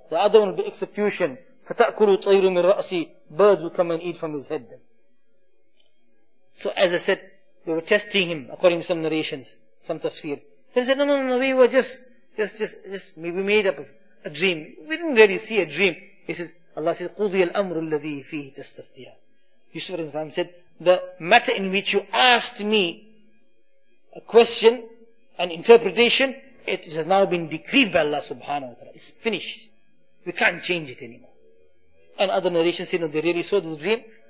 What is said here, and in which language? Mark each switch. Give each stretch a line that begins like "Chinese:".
English: The other one will be execution.
Arabic: فَتَأْكُلُ طَيْرُ مِنْ رَأْسِ.
English: Birds will come and eat from his head. So as I said, we were testing him according to some narrations, some tafsir. Then he said, no, we were just, we made up a dream. We didn't really see a dream. He says, Allah says,
Arabic: قُضِيَ الْأَمْرُ الَّذِي فِيهِ تَسْتَفْتِيَا.
English: Yusuf alayhi salam said, the matter in which you asked me a question, an interpretation, it has now been decreed by Allah subhanahu wa ta'ala. It's finished. We can't change it anymore. And other narrations say, no, they really saw this dream.